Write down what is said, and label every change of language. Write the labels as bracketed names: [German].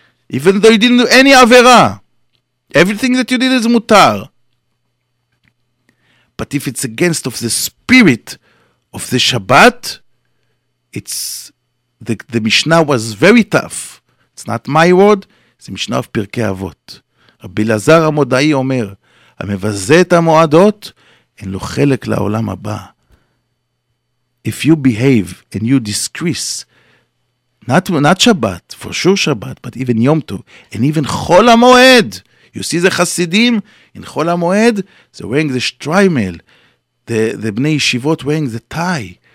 [English] even though you didn't do any avera. Everything that you did is mutar. But if it's against of the spirit of the Shabbat, it's the Mishnah was very tough. It's not my word, it's the Mishnah of Pirkei Avot. [Hebrew] Rabbi Lazar Amodai Omer, המבזה את המועדות, אין לו חלק לעולם הבא. [English] If you behave and you disgrace, not Shabbat, for sure Shabbat, but even Yom Tov, and even Chol HaMoed, you see the Hasidim, in Chol HaMoed, they're wearing the shtraimel, the Bnei Yeshivot wearing the tie.